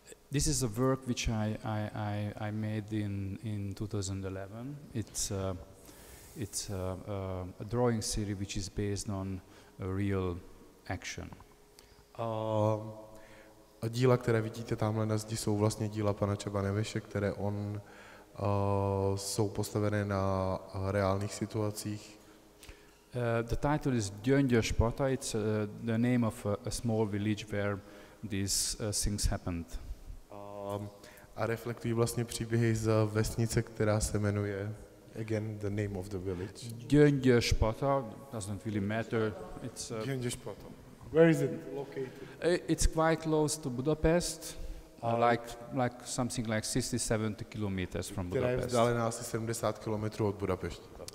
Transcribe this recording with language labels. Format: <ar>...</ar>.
<en>This is a work which I made in 2011. It's a drawing series which is based on a real action.</en> <cs>A díla, které vidíte tamhle na zdi, jsou vlastně díla pana Čaba Neveše, které on jsou postavené na reálných situacích.</cs> <en>The title is Gyöngyöspata, it's the name of a small village where these things happened.</en> <cs>A reflektují vlastně příběhy z vesnice, která se jmenuje,</cs> <en>again, the name of the village. Gyöngyöspata, doesn't really matter. It's Gyöngyöspata. Where is it located? It's quite close to Budapest. Like something like 60-70 kilometers from Budapest.</en> <cs>Která je vzdálená asi 70 kilometrů od Budapešti.</cs>